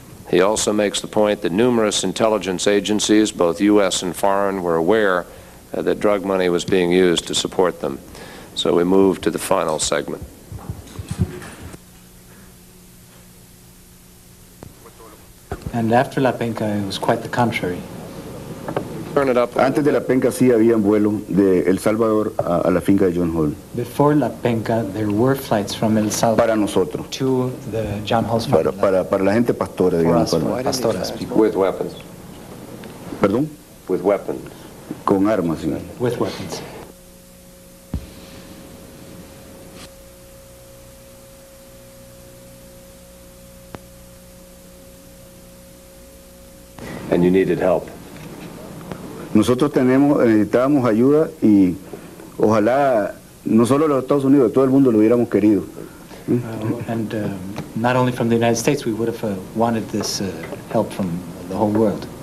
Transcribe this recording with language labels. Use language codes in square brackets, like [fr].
[en] He also makes the point that numerous intelligence agencies, both U.S. and foreign, were aware that drug money was being used to support them. So we move to the final segment. And after La Penca, it was quite the contrary. Turn it up. [es] Antes de La Penca, sí había vuelo de El Salvador a la finca de John Hall. [en] Before La Penca, there were flights from El Salvador [es] para nosotros. [en] To the John Hall's farm. [es] Para la gente pastora, [en] for [es] digamos. [en] Us, [es] para [en] pastoras, people. With weapons. [es] Perdón? [en] With weapons. [es] Con armas, señor. [en] With weapons. And you needed help. [es] Nosotros tenemos, necesitábamos ayuda y ojalá no solo los Estados Unidos, todo el mundo lo hubiéramos querido. [en] And not only from the United States, we would have wanted this help from the whole world.